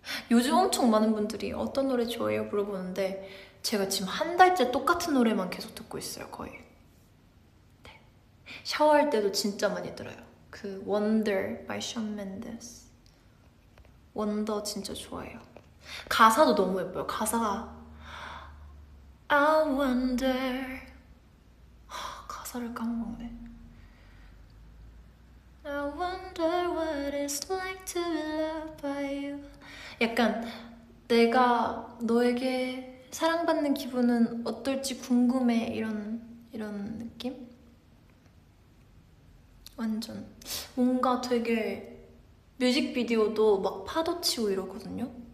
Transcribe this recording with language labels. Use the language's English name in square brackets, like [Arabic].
[Korean] 요즘 엄청 많은 분들이 어떤 노래 좋아해요? 물어보는데 제가 지금 한 달째 똑같은 노래만 계속 듣고 있어요, 거의. 네. 샤워할 때도 진짜 많이 들어요. 그 Wonder by Shawn Mendes. Wonder 진짜 좋아요. 가사도 너무 예뻐요. 가사가 [English] I wonder. [Korean] 가사를 까먹네. [English] I wonder what it's like to be loved by you. [Korean] 약간 내가 너에게 사랑받는 기분은 어떨지 궁금해 이런 느낌? 완전 뭔가 되게 뮤직비디오도 막 파도치고 이러거든요.